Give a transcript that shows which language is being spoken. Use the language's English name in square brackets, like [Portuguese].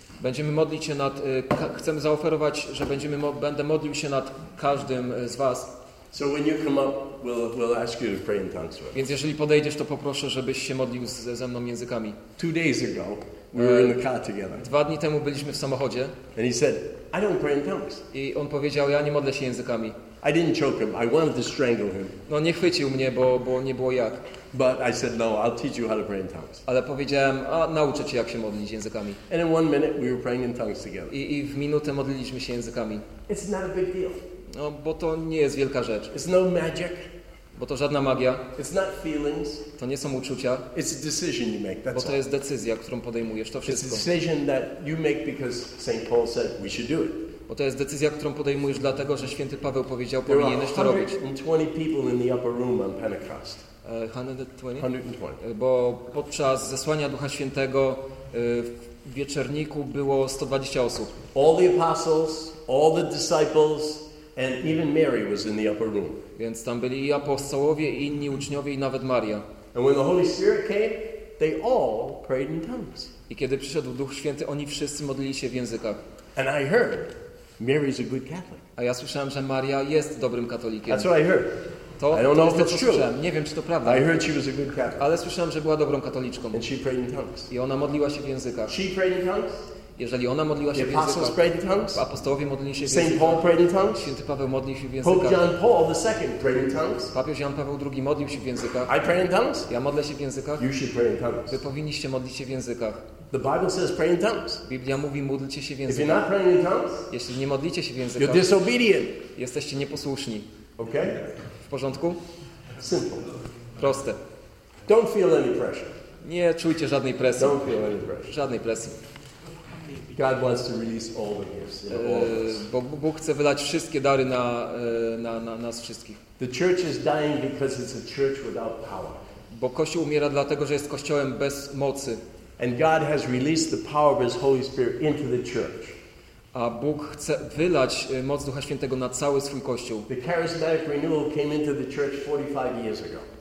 [Polish] Będziemy modlić się nad chcemy zaoferować, że będziemy będę modlił się nad każdym z was. [English] So when you come up, we'll ask you to pray in tongues. With. [Polish] Więc jeżeli podejdziesz, to poproszę, żebyś się modlił ze mną językami. [English] Two days ago, we were in the car together. [Polish] Dwa dni temu byliśmy w samochodzie. [English] And he said, I don't pray in tongues. [Polish] I on powiedział, ja nie modlę się językami. [English] I didn't choke him. I wanted to strangle him. [Polish] No nie chwycił mnie, bo nie było jak. [English] But I said, no, I'll teach you how to pray in tongues. [Polish] Ale powiedziałem, a nauczę cię, jak się modlić językami. [English] And in one minute, we were praying in tongues together. [Polish] I w minutę modliliśmy się językami. [English] It's not a big deal. [Polish] No, bo to nie jest wielka rzecz. [English] It's no magic. [Polish] Bo to żadna magia. [English] It's not feelings. [Polish] To nie są uczucia. [English] It's a decision you make. That's [Polish] bo to jest decyzja, którą podejmujesz. To wszystko. [English] It's a decision that you make because St. Paul said we should do it. [Polish] Bo to jest decyzja, którą podejmujesz dlatego, że Święty Paweł powiedział, powinieneś to robić. [English] There are 120 people in the upper room on Pentecost. 120. [Polish] Bo podczas zesłania Ducha Świętego w wieczerniku było 120 osób. [English] All the apostles, all the disciples. And even Mary was in the upper room. [Polish] Więc tam byli i apostołowie, i inni uczniowie, i nawet Maria. [English] And when the Holy Spirit came, they all prayed in tongues. [Polish] I kiedy przyszedł Duch Święty, oni wszyscy modlili się w językach. [English] And I heard, Mary's a good Catholic. [Polish] A ja słyszałem, że Maria jest dobrym katolikiem. [English] That's what I heard. [Polish] To, [English] I don't know if it's true. [Polish] Nie wiem, czy to prawda. [English] I heard she was a good Catholic. [Polish] Ale słyszałem, że była dobrą katoliczką. [English] And she prayed in tongues. [Polish] I ona modliła się w językach. [English] She prayed in tongues. [Polish] Jeżeli ona modliła się w językach, apostołowie modlili się w [English] Saint Paul prayed in tongues. [Polish] Święty Paweł modlił się w językach. [English] Pope John Paul II prayed in tongues. [Polish] Papież Jan Paweł II modlił się w językach. [English] I pray in tongues. [Polish] Ja modlę się w językach. [English] You should pray in tongues. [Polish] Wy powinniście modlić się w językach. [English] The Bible says pray in tongues. [Polish] Biblia mówi módlcie się w językach. [English] If you're not praying in tongues, [Polish] jeśli nie modlicie się w językach, [English] you're disobedient. [Polish] Jesteście nieposłuszni. [English] Okay? [Polish] W porządku? [English] Simple. [Polish] Proste. [English] Don't feel any pressure. [Polish] Nie czujcie żadnej presji. [English] Don't feel any pressure. [Polish] Żadnej presji. [English] God wants to release all the gifts. [Polish] Bo Bóg chce wylać wszystkie dary na nas wszystkich. [English] The church is dying because it's a church without power. [Polish] Bo Kościół umiera dlatego, że jest Kościołem bez mocy. [English] And God has released the power of His Holy Spirit into the church. [Polish] A Bóg chce wylać moc Ducha Świętego na cały swój Kościół. [English] The charismatic renewal came into the church 45 years ago.